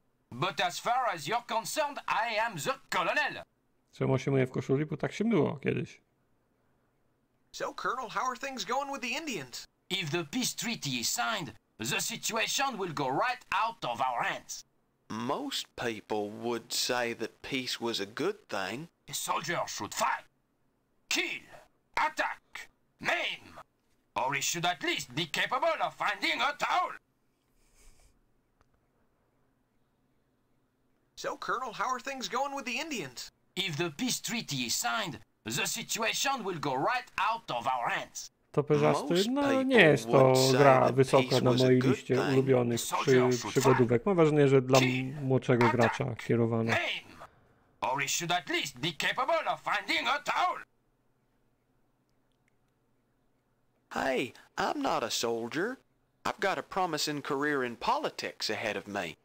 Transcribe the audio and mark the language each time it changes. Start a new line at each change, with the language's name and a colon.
English: But as far as you're concerned, I am the Colonel.
Polish: Czemu się myje w koszuli, bo tak się myło kiedyś.
English: So, Colonel, how are things going with the Indians? If the peace treaty is signed, the situation will go right out of our hands. Most people would say that peace was a good thing. A soldier should fight, kill, attack, maim. Or he should at least be capable of finding a towel. So, Colonel, how are things going with the Indians? If the peace treaty is signed, the situation will go right out of our hands.
Polish: To pyżasty? No nie jest to gra wysoka na mojej liście ulubionych przygodówek. Mam wrażenie, że dla młodszego gracza kierowane.
English: Or he should at least be capable of finding a towel. Hey, I'm not a soldier. I've got a promising career in politics ahead of me.